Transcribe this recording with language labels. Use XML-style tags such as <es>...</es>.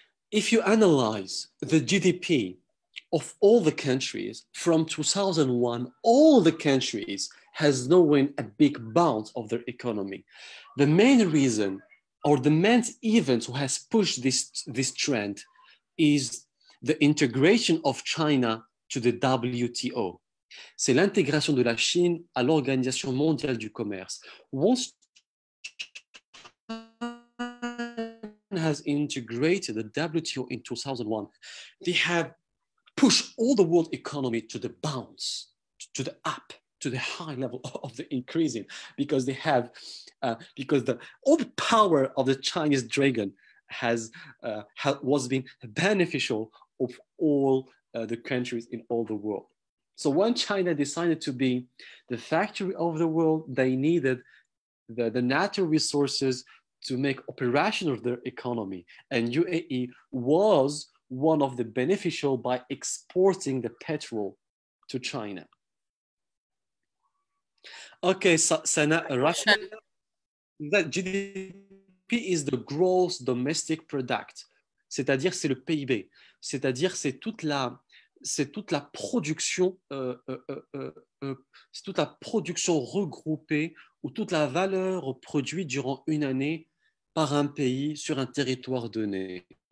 <en>If you analyze the GDP of all the countries from 2001, all the countries has known a big bounce of their economy. The main reason or the main event who has pushed this trend is the integration of China to the WTO.</en> <fr>C'est l'intégration de la Chine à l'Organisation mondiale du commerce.</fr> <en>Once China has integrated the WTO in 2001, they have pushed all the world economy to the bounce, to the up, to the high level of the increasing, because they have, because the all the power of the Chinese dragon has was being beneficial of all the countries in all the world. So when China decided to be the factory of the world, they needed the natural resources to make operational their economy. And UAE was one of the beneficial by exporting the petrol to China. Okay, Sana, Russia, that GDP is the gross domestic product.</en> <fr>C'est-à-dire, c'est le PIB. C'est-à-dire, c'est toute la production, c'est toute la production regroupée ou toute la valeur produite durant une année par un pays sur un territoire donné.</fr>